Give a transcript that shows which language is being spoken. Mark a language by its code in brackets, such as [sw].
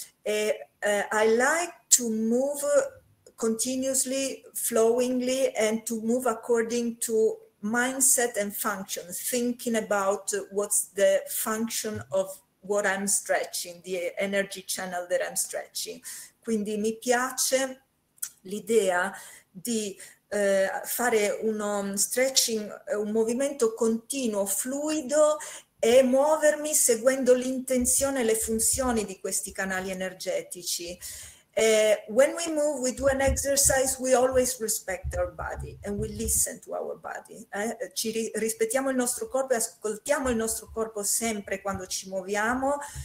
[en] E I like to move continuously, flowingly, and to move according to mindset and function, thinking about what's the function of what I'm stretching, the energy channel that I'm stretching. [it] Quindi mi piace l'idea di fare uno stretching, un movimento continuo, fluido, e muovermi seguendo l'intenzione e le funzioni di questi canali energetici. [en] When we move, we do an exercise, we always respect our body and we listen to our body. [it] Ci rispettiamo il nostro corpo e ascoltiamo il nostro corpo sempre quando ci muoviamo.